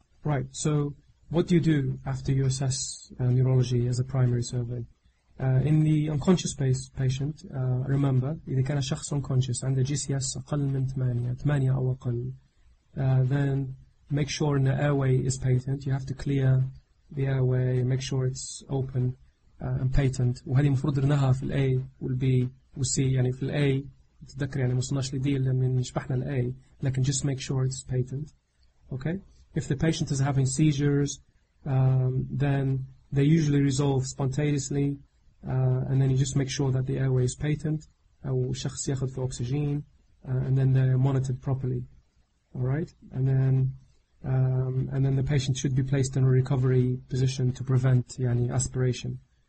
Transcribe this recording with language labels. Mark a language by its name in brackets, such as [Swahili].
[English] Right, so what do you do after you assess neurology as a primary survey? In the unconscious patient, remember, [Arabic] إذا كان شخص [English] unconscious عند GCS [Arabic] أقل من 8 أو أقل, [English] then make sure the airway is patent. You have to clear the airway, make sure it's open. And patent. [Arabic] وهذه مفروض درناها في الA والB والC. يعني في الA تذكر يعني مصناش لديل من شبحنا الA, لكن [English] just make sure it's patent. Okay. If the patient is having seizures, then they usually resolve spontaneously, and then you just make sure that the airway is patent. [Arabic] والشخص يأخذ في أكسجين, [English] and then they're monitored properly. All right. And then the patient should be placed in a recovery position to prevent يعني aspiration.